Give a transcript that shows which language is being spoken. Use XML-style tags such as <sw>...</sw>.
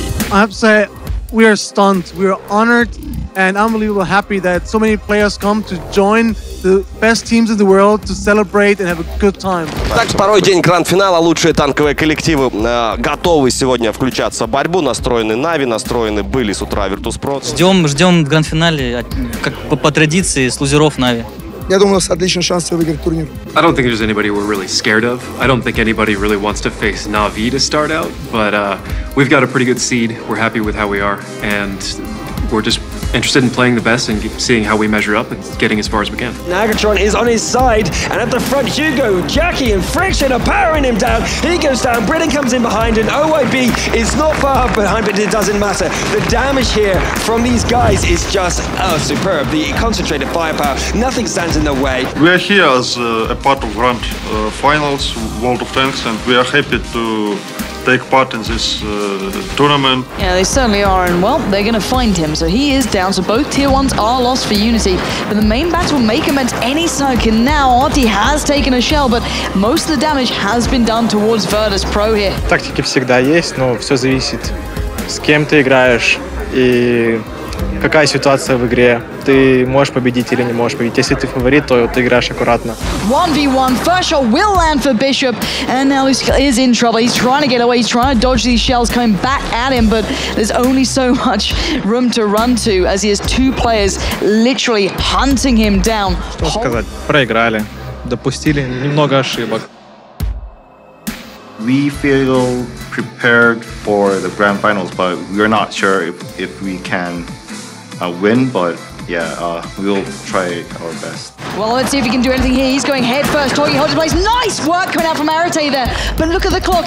<en>I have to say, we are stunned. We are honored and unbelievably happy that so many players come to join the best teams in the world to celebrate and have a good time.</en> <ru>Так, порой день гранд-финала, лучшие танковые коллективы готовы сегодня включаться в борьбу, настроены Na'Vi, настроены были с утра Virtus.pro. Ждем в гранд-финале, как по традиции, с лузеров Na'Vi. Я думаю, у нас отличный шанс выиграть турнир.</ru> <en>I don't think there's anybody we're really scared of. I don't think anybody really wants to face Na'Vi to start out, but we've got a pretty good seed. We're happy with how we are, and we're just interested in playing the best and seeing how we measure up and getting as far as we can. Nagatron is on his side, and at the front, Hugo, Jackie, and Friction are powering him down. He goes down, Britain comes in behind, and OYB is not far behind, but it doesn't matter. The damage here from these guys is just superb. The concentrated firepower, nothing stands in the way. We are here as a part of Grand Finals, World of Tanks, and we are happy to take part in this tournament. Yeah, they certainly are, and well, they're going to find him, so he is down, so both tier 1s are lost for Unity, but the main battle may commence any second now. Arty has taken a shell, but most of the damage has been done towards Virtus.pro here.</en> <ru>Тактики всегда есть, но все зависит, с кем ты играешь и какая ситуация в игре. Ты можешь победить или не можешь победить. Если ты фаворит, то ты играешь аккуратно.</ru> <en>1v1. First shot will land for Bishop. And now Lucio is in trouble. He's trying to get away. He's trying to dodge these shells coming back at him. But there's only so much room to run to as he has 2 players literally hunting him down.</en> <ru>Что сказать? Проиграли. Допустили немного ошибок.</ru> <en>We feel prepared for the grand finals, but we're not sure if we can a win, but yeah, we'll try our best. Well, let's see if he can do anything here. He's going head first. Torgi holds the place. Nice work coming out from Arete there. But look at the clock.</en>